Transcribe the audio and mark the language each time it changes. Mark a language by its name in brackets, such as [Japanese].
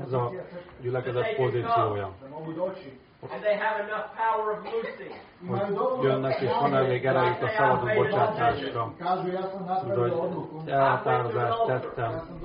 [Hungarian] Ez a gyülekezet pozíciója. [English] And they have enough power of loosing. [Hungarian] Hogy jönnek és van elég erejük a szabadon bocsátásra. Hogy elhatározást tettem.